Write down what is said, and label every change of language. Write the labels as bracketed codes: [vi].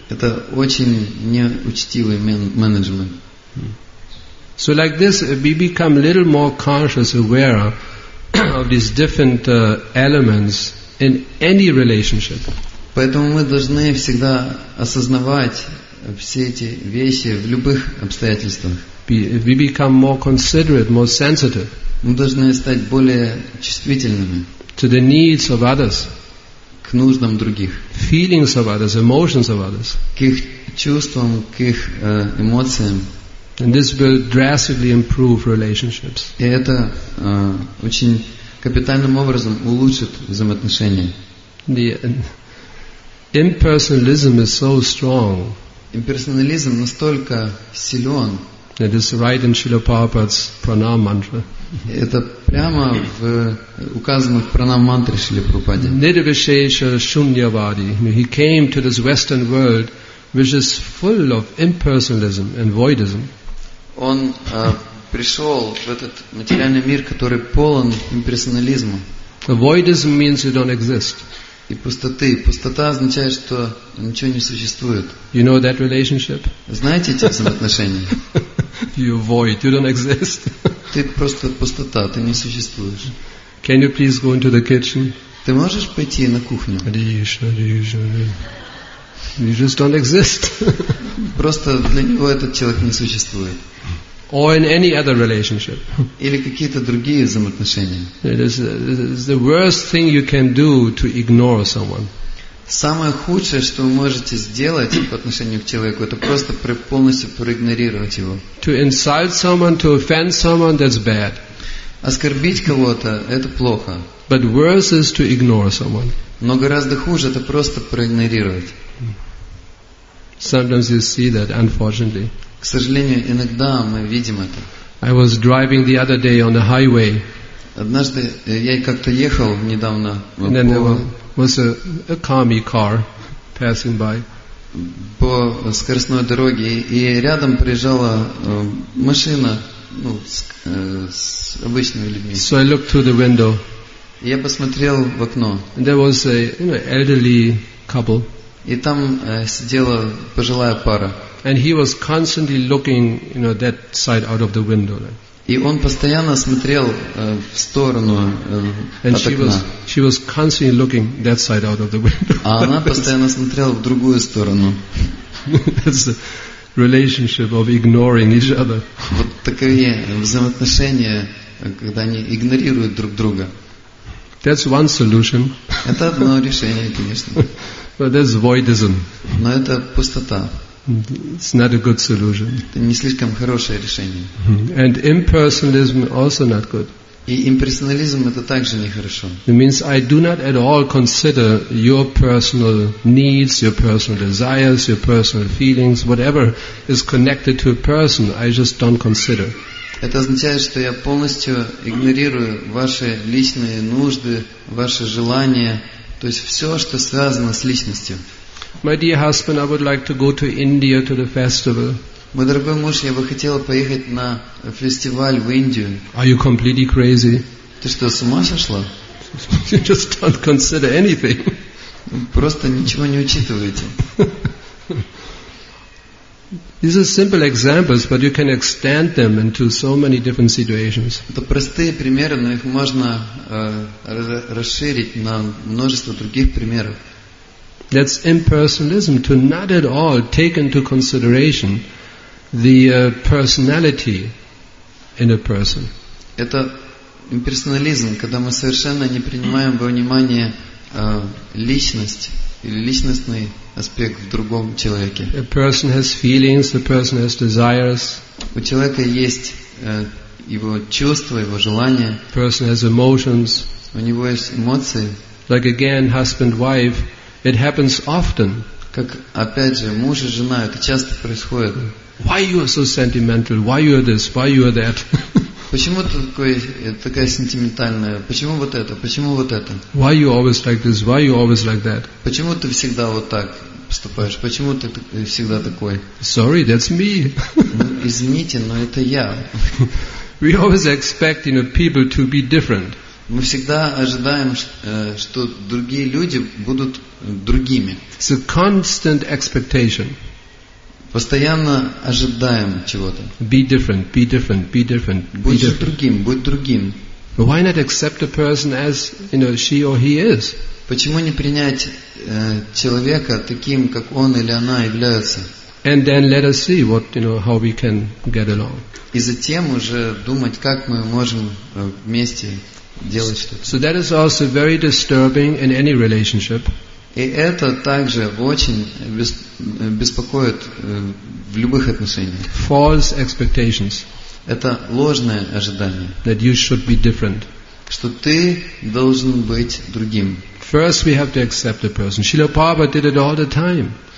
[ru] Это очень неучтивый менеджмент. [en] So like this, we become a little more conscious, aware of these different elements in any relationship. [ru] Поэтому мы должны всегда осознавать все эти вещи в любых обстоятельствах. [en] We become more considerate, more sensitive. [ru] Мы должны стать более чувствительными. [en] To the needs of others. [ru] К нуждам других. [en] Feelings of others, emotions of others. [ru] К их чувствам, к их эмоциям. [en] And this will drastically improve relationships. [ru] И это очень капитальным образом улучшит взаимоотношения. [en] The impersonalism is so strong. [ru] Имперсонализм настолько силен. [en] That is right in Srila Prabhupada's pranam mantra. [ru] Это прямо в указанных пранам мантре Шрилы Прабхупады. [sa] Nirvishesha shunyavadi. [en] He came to this Western world, which is full of impersonalism and voidism. [ru] Он пришел в этот материальный мир, который полон имперсонализма. [en] Voidism means you don't exist. [ru] И пустоты. Пустота означает, что ничего не существует. [en] You know that relationship? [ru] Знаете эти взаимоотношения? [en] You void. You don't exist. [ru] Ты просто пустота. Ты не существуешь. [en] Can you please go into the kitchen? [ru] Ты можешь пойти на кухню? [en] Кришна, Кришна. He just don't exist. [ru] Просто для него этот человек не существует. [en] Or in any other relationship. [ru] Или какие-то другие взаимоотношения. [en] It is the worst thing you can do to ignore someone. [ru] Самое худшее, что вы можете сделать по отношению к человеку, это просто полностью проигнорировать его. [en] To insult someone, to offend someone, that's bad. [ru] Оскорбить кого-то – это плохо. [en] But worse is to ignore someone. [ru] Но гораздо хуже – это просто проигнорировать. [en] Sometimes you see that, unfortunately. [ru] К сожалению, иногда мы видим это. [en] I was driving the other day on the highway. [ru] Однажды я как-то ехал недавно. [en] And then there was a commie car passing by. [ru] По скоростной дороге, и рядом приезжала машина, ну, с обычными людьми. [en] So I looked through the window. [ru] Я посмотрел в окно. [en] And there was a, you know, elderly couple. [ru] И там сидела пожилая пара. [en] And he was constantly looking, you know, that side out of the window. [ru] И он постоянно смотрел в сторону And от окна. [en] She was constantly looking that side out of the window. [ru] А она постоянно смотрела в другую сторону. [en] That's the relationship of ignoring each other. [ru] Вот такие взаимоотношения, когда они игнорируют друг друга. [en] That's one solution. [ru] Это одно решение, конечно. [en] But that's voidism. [ru] Но это пустота. [en] It's not a good solution. [ru] Это не слишком хорошее решение. [en] And impersonalism also not good. [ru] И имперсонализм это также нехорошо. [en] It means I do not at all consider your personal needs, your personal desires, your personal feelings, whatever is connected to a person, I just don't consider. [ru] Это означает, что я полностью игнорирую ваши личные нужды, ваши желания. То есть все, что связано с личностью. [en] My dear husband, I would like to go to India to the festival. [ru] Мой дорогой муж, я бы хотел поехать на фестиваль в Индию. [en] Are you completely crazy? [ru] Ты что, с ума сошла? [en] You just don't consider anything. [ru] Просто ничего не учитываете. [en] These are simple examples, but you can extend them into so many different situations. [ru] Это простые примеры, но их можно расширить на множество других примеров. [en] That's impersonalism, to not at all take into consideration the personality in a person. [ru] Это имперсонализм, когда мы совершенно не принимаем во внимание личность или личностный аспект в другом человеке. [en] A person has feelings, a person has desires. [ru] У человека есть его чувства, его желания. [en] A person has emotions. [ru] У него есть эмоции. [en] Like again, husband-wife, it happens often. [ru] Как опять же, муж и жена, это часто происходит. [en] Why you are so sentimental? Why you are this? Why you are that? [ru] Почему ты такой, такая сентиментальная? Почему вот это? Почему вот это? [en] Why you always like this? Why you always like that? [ru] Почему ты всегда вот так поступаешь? Почему ты всегда такой? [en] Sorry, that's me. [ru] Извините, но это я. [en] We always expect, you know, people to be different. [ru] Мы всегда ожидаем, что другие люди будут другими. [en] It's a constant expectation. [ru] Постоянно ожидаем чего-то. [en] Be different, be different, be different. [ru] Будь другим, будь другим. [en] Why not accept a person as, you know, she or he is? [ru] Почему не принять человека таким, как он или она является? [en] And then let us see what, you know, how we can get along. [ru] И затем уже думать, как мы можем вместе делать что-то. [en] So that is also very disturbing in any relationship. [ru] И это также очень беспокоит в любых отношениях. [en] False expectations. [ru] Это ложное ожидание. [en] That you should be different. [ru] Что ты должен быть другим. [en] First we have to accept the person. Шрила Прабхупада did it all the time.